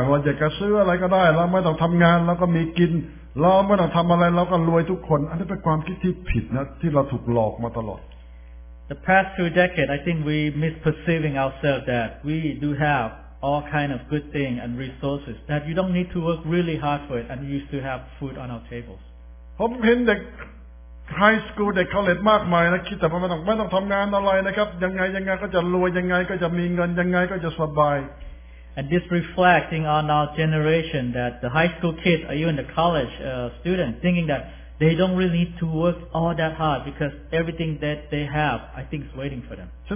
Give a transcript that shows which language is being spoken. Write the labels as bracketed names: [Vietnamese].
[Thai] ในระยะหลายสิบปีมานี้เราหลงคิดนะครับว่าเรามีเงินเราทำได้ทุกอย่างเราอยากจะซื้ออะไรก็ได้เราไม่ต้องทำงานเราก็มีกิน เราไม่ต้องทำอะไรเราก็รวยทุกคนอันนี้เป็นความคิดที่ผิดนะที่เราถูกหลอกมาตลอด [English] The past few decades I think we misperceiving ourselves that we do have all kind of good things and resources that you don't need to work really hard for it and you still have food on our tables [Thai] ผมเห็นเด็กไฮสคูลเด็กคอลเลจมากมายนะคิดแต่ว่าไม่ต้องทำงานอะไรนะครับยังไงก็จะรวยยังไงก็จะมีเงินยังไงก็จะสบาย [English] And this reflecting on our generation that the high school kids or even the college students thinking that they don't really need to work all that hard because everything that they have, I think, is waiting for them.